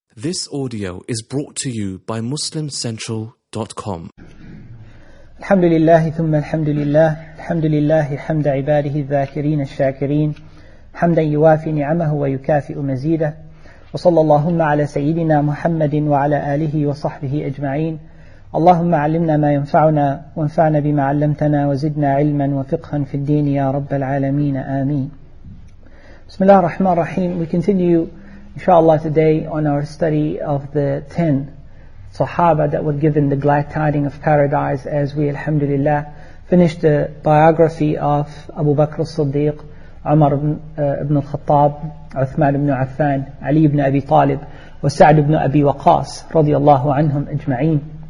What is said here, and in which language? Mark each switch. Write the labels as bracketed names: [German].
[English] This audio is brought to you by MuslimCentral.com. [Arabic] الحمد لله ثم الحمد لله الحمد لله حمد عباده الذاكرين الشاكرين حمدا يوافي نعمه ويكافئ مزيده وصلى اللهم على سيدنا محمد وعلى آله وصحبه أجمعين اللهم علمنا ما ينفعنا وانفعنا بما علمتنا وزدنا علما وفقها في الدين يا رب العالمين آمين بسم الله الرحمن الرحيم. [English] We continue inshallah today on our study of the 10 Sahaba that were given the glad tiding of paradise, as we alhamdulillah finished the biography of Abu Bakr as-Siddiq, Umar ibn al-Khattab, Uthman ibn Affan, Ali ibn Abi Talib, wa Sa'd ibn Abi Waqas radiyallahu anhum ajma'in.